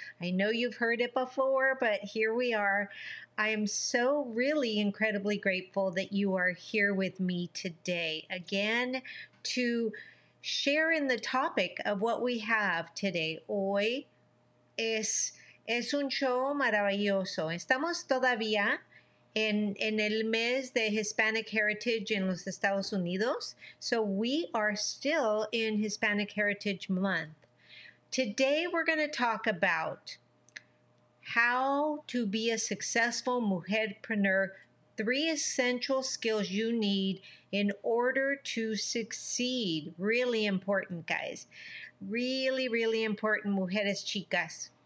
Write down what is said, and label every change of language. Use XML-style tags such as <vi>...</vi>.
<en>I know you've heard it before, but here we are. I am so really incredibly grateful that you are here with me today again to share in the topic of what we have today.</en> <es>Hoy es un show maravilloso. Estamos todavía en el mes de Hispanic Heritage en los Estados Unidos.</es> <en>So we are still in Hispanic Heritage Month. Today we're going to talk about how to be a successful mujerpreneur, three essential skills you need in order to succeed. Really important, guys. Really, really important,</en> <es>mujeres chicas.</es>